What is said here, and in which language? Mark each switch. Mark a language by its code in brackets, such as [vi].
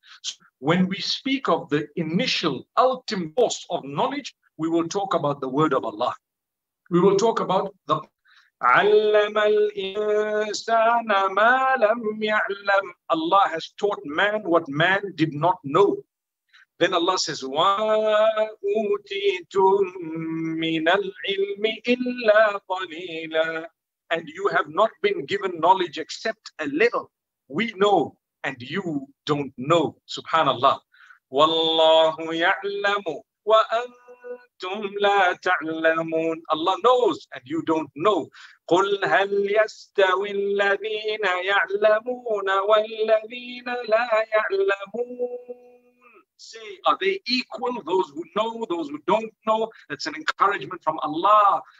[en] So when we speak of the initial, ultimate source of knowledge, we will talk about the word of Allah. We will talk about the [ar] عَلَّمَ الْإِنسَانَ مَا لَمْ يَعْلَمْ. [en] Allah has taught man what man did not know. Then Allah says, [ar] وَا أُوتِيتُم مِّنَ الْعِلْمِ إِلَّا قَلِيلًا. [en] And you have not been given knowledge except a little. We know and you don't know. SubhanAllah. [ar] وَاللَّهُ يَعْلَمُ وَأَنْتُمْ كنتم لا تعلمون. [en] Allah knows and you don't know. [ar] قل هل يستوي الذين يعلمون والذين لا يعلمون. [en] See, are they equal, those who know, those who don't know? That's an encouragement from Allah.